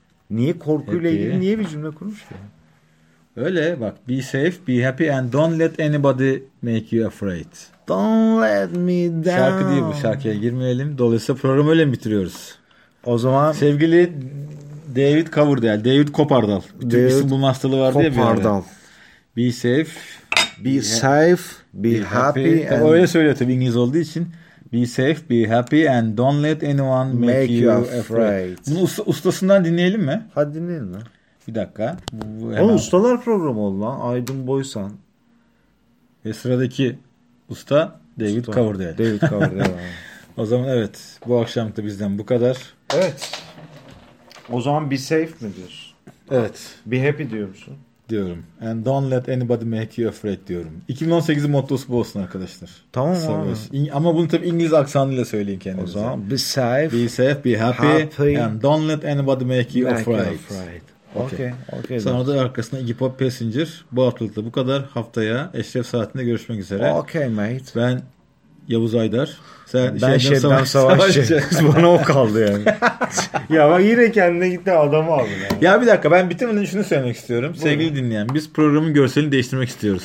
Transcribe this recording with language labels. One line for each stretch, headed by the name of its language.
Turkish: Niye korkuyla ilgili niye bir cümle kurmuş ki? Öyle bak.
English: Be safe, be happy and don't let anybody make you afraid. Don't let me down.
Turkish: Şarkı değil bu, şarkıya girmeyelim. Dolayısıyla programı öyle mi bitiriyoruz? O zaman... Sevgili David Coverdale, David Kopardal. Türk isim bu hastalığı vardı ya. Kopardal.
English: Be safe... Be safe, be happy.
Turkish: And öyle söylüyor tabii İngiliz olduğu için.
English: Be safe, be happy and don't let anyone make you afraid.
Turkish: Bunu ustasından dinleyelim mi? Hadi dinleyelim lan. Bir dakika. Oğlum ustalar programı oldu lan. Aydın Boysan. Ve sıradaki usta David Coverdale. David Coverdale. O zaman evet. Bu akşam da bizden bu kadar. Evet. O zaman
English: be safe
Turkish: mi diyorsun? Evet.
English: Be happy
Turkish: diyor musun? Diyorum.
English: And don't let anybody make you afraid
Turkish: diyorum. 2018'in mottosu bu olsun arkadaşlar. Tamam abi. Ama bunu tabii İngiliz aksanıyla söyleyin kendinize. O zaman
English: be safe. Be safe, be happy. And don't let anybody make you afraid. Okay.
Turkish: Sonra da arkasında Iggy Pop Passenger. Bu haftalık da bu kadar. Haftaya Eşref Saati'nde görüşmek üzere.
English: Okay mate.
Turkish: Ben Yavuz Aydar. Sen ben Şebnem Savaşçı. Bana o kaldı yani. Ya bak yine kendine gitti adamı aldı. Yani. Ya bir dakika, ben bitirmeden şunu söylemek istiyorum. Buyurun. Sevgili dinleyen, biz programın görselini değiştirmek istiyoruz.